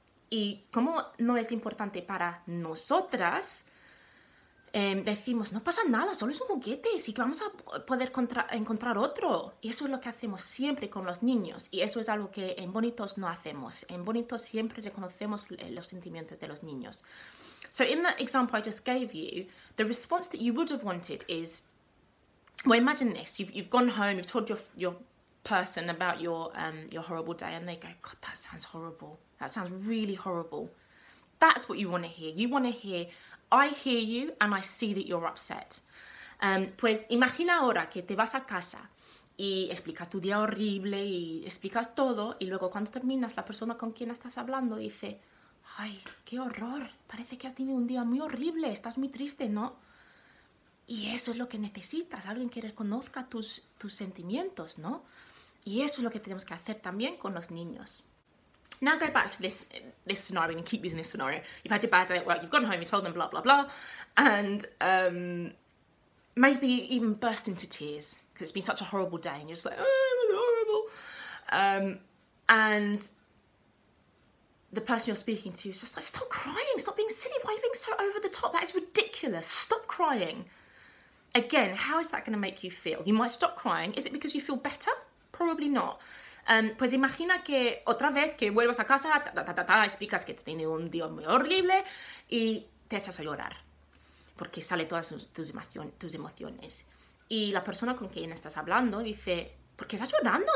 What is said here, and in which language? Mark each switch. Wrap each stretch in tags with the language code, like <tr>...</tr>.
<es>Y como no es importante para nosotras, decimos, no pasa nada, solo es un juguete, sí que vamos a poder encontrar otro. Y eso es lo que hacemos siempre con los niños. Y eso es algo que en Bonitos no hacemos. En Bonitos siempre reconocemos los sentimientos de los niños.</es> <en>So in the example I just gave you, the response that you would have wanted is, well, imagine this, you've gone home, you've told your person about your horrible day, and they go, God, that sounds horrible. That sounds really horrible. That's what you want to hear. You want to hear, I hear you and I see that you're upset.</en> <es>Pues imagina ahora que te vas a casa y explicas tu día horrible y explicas todo, y luego cuando terminas, la persona con quien estás hablando dice, ay, qué horror, parece que has tenido un día muy horrible, estás muy triste, ¿no? Y eso es lo que necesitas, alguien que reconozca tus sentimientos, ¿no? Y eso es lo que tenemos que hacer también con los niños.</es> <en>Now go back to this scenario, and keep using this scenario. You've had your bad day at work, you've gone home, you told them blah, blah, blah, and maybe even burst into tears because it's been such a horrible day and you're just like, oh, it was horrible. And the person you're speaking to is just like, stop crying, stop being silly, why are you being so over the top? That is ridiculous, stop crying. Again, how is that going to make you feel? You might stop crying. Is it because you feel better? Probably not.</en> <es>Pues imagina que otra vez que vuelvas a casa, explicas que has tenido un día muy horrible y te echas a llorar porque sale todas tus emociones. Y la persona con quien estás hablando dice, ¿por qué estás llorando?</es>